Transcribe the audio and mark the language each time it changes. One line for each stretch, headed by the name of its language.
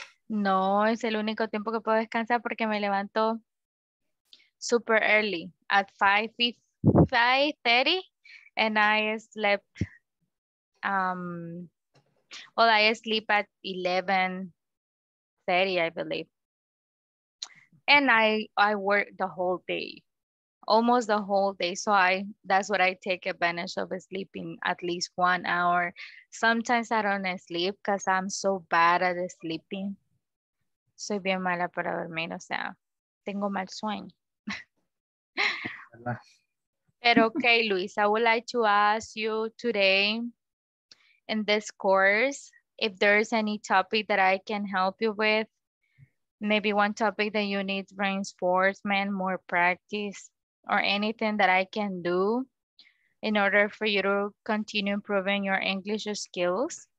Spanish: No, es el único tiempo que puedo descansar porque me levanto super
English: early at 5:30 and I slept I sleep at 11:30, I believe. And I work the whole day. Almost the whole day. So that's what I take advantage of, sleeping at least 1 hour. Sometimes I don't sleep because I'm so bad at sleeping.
Spanish: Soy bien mala para dormir, o sea, tengo mal sueño.
English: Pero okay, Luis, I would like to ask you today in this course, if there's any topic that I can help you with, maybe one topic that you need reinforcement, more practice, or anything that I can do in order for you to continue improving your English skills.